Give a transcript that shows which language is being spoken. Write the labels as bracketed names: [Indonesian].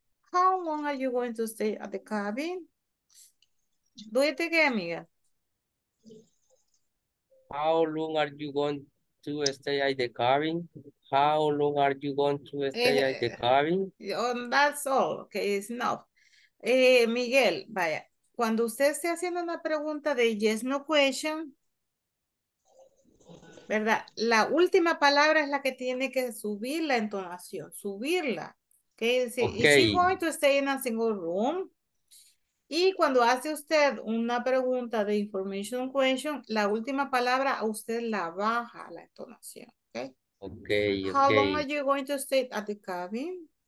[English] How long are you going to stay at the cabin? Do it again, Miguel. How long are you going to stay at the cabin? How long are you going to stay at the cabin? That's all. Okay, it's enough. Miguel, vaya. [Spanish] Cuando usted esté haciendo una pregunta de [English] yes, no question, [Spanish] ¿verdad? La última palabra es la que tiene que subir la entonación, subirla. Okay, decir, okay. [English] Is she going to stay in a single room? [Spanish] Y cuando hace usted una pregunta de information question, la última palabra usted la baja la entonación. [English] Okay. Okay. How okay. long are you going to stay at the cabin?